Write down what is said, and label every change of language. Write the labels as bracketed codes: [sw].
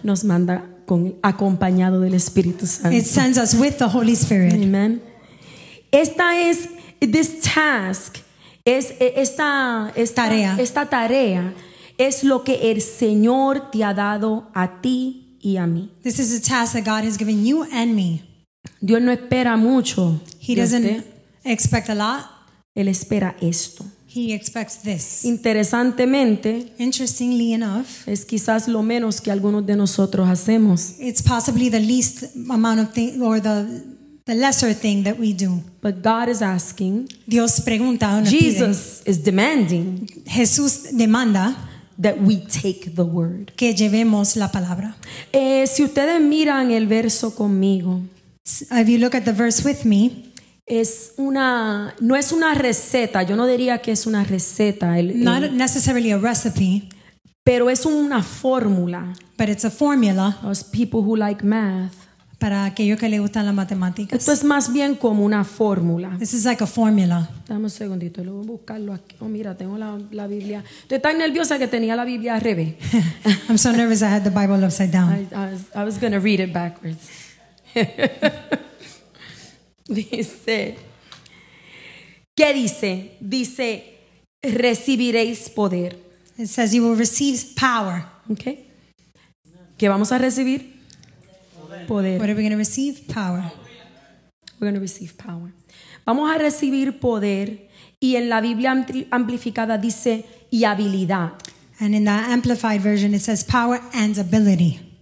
[es] Nos manda acompañado del Espíritu Santo. [en] It sends us with the Holy Spirit. [es] Amen. Esta es [en] this task [es] es esta tarea. Esta tarea es lo que el Señor te ha dado a ti y a mí. [en] This is a task that God has given you and me. [es] Dios no espera mucho. [en] He doesn't expect a lot. [es] Él espera esto. [en] He expects this. [es] Interesantemente, [en] interestingly enough, [es] es quizás lo menos que algunos de nosotros hacemos. [en] It's possibly the least amount of thing or the lesser thing that we do. But God is asking. [es] Dios pregunta, [en] Jesus [es] pide, [en] is demanding. [es] Jesús demanda [en] that we take the word. [es] Que llevemos la palabra. Si ustedes miran el verso conmigo, [en] if you look at the verse with me. [es] No es una receta, yo no diría que es una receta. [en] Not necessarily a recipe. [es] Pero es una fórmula. [en] But it's a formula. Those people who like math. [es] Para aquellos que les gustan las matemáticas. Esto es más bien como una fórmula. [en] This is like a formula. [es] Dame un segundito, lo voy a buscarlo aquí. Oh, mira, tengo la Biblia. Estoy tan nerviosa que tenía la Biblia al revés. [en] I'm so nervous I had the Bible upside down. I was going to read it backwards. [es] Dice, ¿qué dice? Dice, recibiréis poder. [en] It says you will receive power. [es] Okay. ¿Qué vamos a recibir? Poder. poder. [en] What are we going to receive? Power. We're going to receive power. [es] Vamos a recibir poder. Y en la Biblia amplificada dice y habilidad. [en] And in the amplified version it says power and ability.